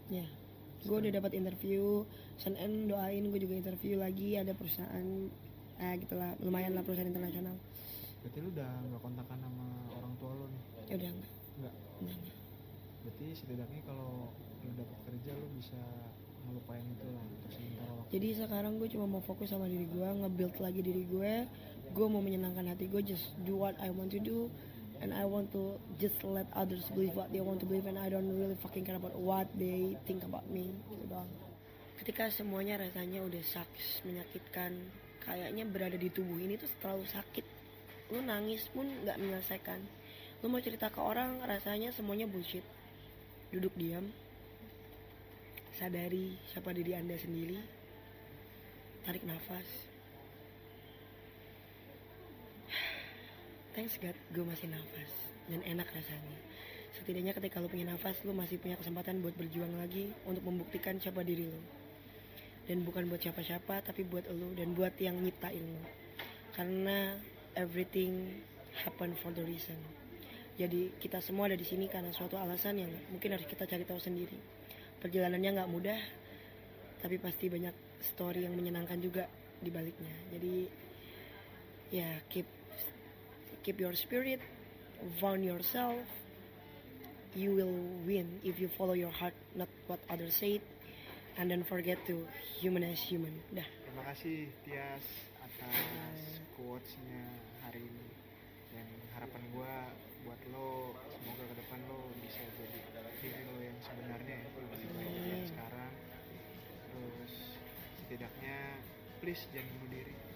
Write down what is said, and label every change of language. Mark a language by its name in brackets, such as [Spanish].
[Indonesian] Ya, gue udah dapat interview. Senen doain gue juga interview lagi, ada perusahaan. Gitulah, lumayan lah perusahaan internasional. Berarti lu udah nggak kontakkan sama orang tua lu nih? Ya udah enggak. Enggak. Berarti setidaknya kalau lu dapat kerja lu bisa ngelupain itu lah untuk sementara waktu. Jadi sekarang gue cuma mau fokus sama diri gue, nge-build lagi diri gue. Gue mau menyenangkan hati gue, [English] just do what I want to do, and I want to just let others believe what they want to believe, and I don't really fucking care about what they think about me. [Indonesian] Gitu doang. Ketika semuanya rasanya udah sucks, menyakitkan, kayaknya berada di tubuh ini tuh terlalu sakit. Lu nangis pun gak menyelesaikan. Lu mau cerita ke orang, rasanya semuanya bullshit. Duduk diam, sadari siapa diri anda sendiri, tarik nafas. [English] Thanks God, [Indonesian] gue masih nafas. Dan enak rasanya. Setidaknya ketika lu punya nafas, lu masih punya kesempatan buat berjuang lagi, untuk membuktikan siapa diri lu. Dan bukan buat siapa-siapa, tapi buat lu dan buat yang nyiptain lu. Karena [English] everything happen for the reason. [Indonesian] Jadi kita semua ada di sini karena suatu alasan yang mungkin harus kita cari tahu sendiri. Perjalanannya gak mudah, tapi pasti banyak story yang menyenangkan juga di baliknya. Jadi ya [English] keep your spirit, found yourself. You will win if you follow your heart, not what others say. And don't forget to humanize human. [Indonesian] Dah. Terima kasih Tias atas quotes-nya hari ini. Dan harapan gue buat lo, semoga ke depan lo bisa jadi diri lo yang sebenarnya, lebih baik dari sekarang. Terus setidaknya please jangan bunuh diri.